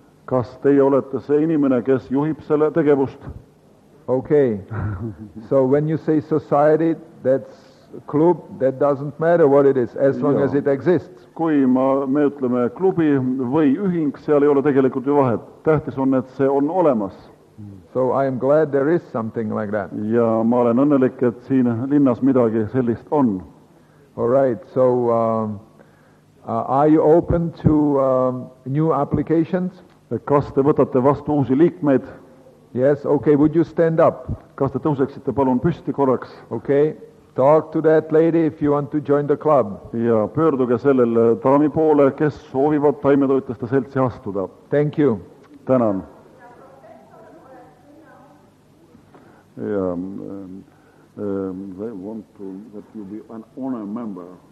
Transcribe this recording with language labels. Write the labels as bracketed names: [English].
[Estonian] Kas teie olete see inimene, kes juhib selle tegevust? [English] Okay. So when you say society, that's club, that doesn't matter what it is, as long as it exists. [Estonian] Kui me ütleme klubi või ühing, seal ei ole tegelikult ju vahet. Tähtis on, et see on olemas. [English] So I am glad there is something like that. [Estonian] Ja ma olen õnnelik, et siin linnas midagi sellist on. [English] All right, so... are you open to new applications? [Estonian] Kas te võtate vastu uusi liikmeid? [English] Yes, okay, would you stand up? [Estonian] Kas te tõuseksite palun püsti korraks? [English] Okay, talk to that lady if you want to join the club. [Estonian] Ja pöörduge sellel daami poole, kes soovivad taimetoitlaste seltsi astuda. [English] Thank you. [Estonian] Tänan. [English] Ja, they want to that you be an honor member.